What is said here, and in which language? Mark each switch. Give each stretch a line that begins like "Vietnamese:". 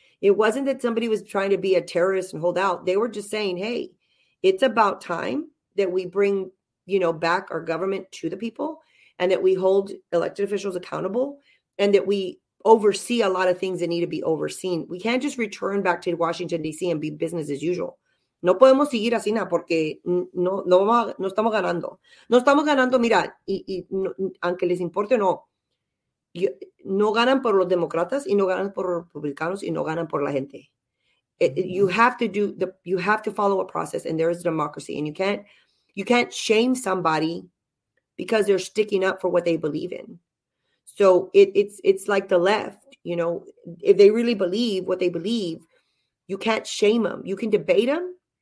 English: It wasn't that somebody was trying to be a terrorist and hold out. They were just saying, hey, it's about time that we bring, you know, back our government to the people, and that we hold elected officials accountable, and that we oversee a lot of things that need to be overseen. We can't just return back to Washington, D.C. and be business as usual.
Spanish: No podemos seguir así, nada, porque no estamos ganando. No estamos ganando, mira, no, aunque les importe o no, no ganan por los demócratas y no ganan por los republicanos y no ganan por la gente.
English: You have to do the, you have to follow a process, and there is a democracy, and you can't shame somebody because they're sticking up for what they believe in. So it's like the left, you know, if they really believe what they believe, you can't shame them. You can debate them.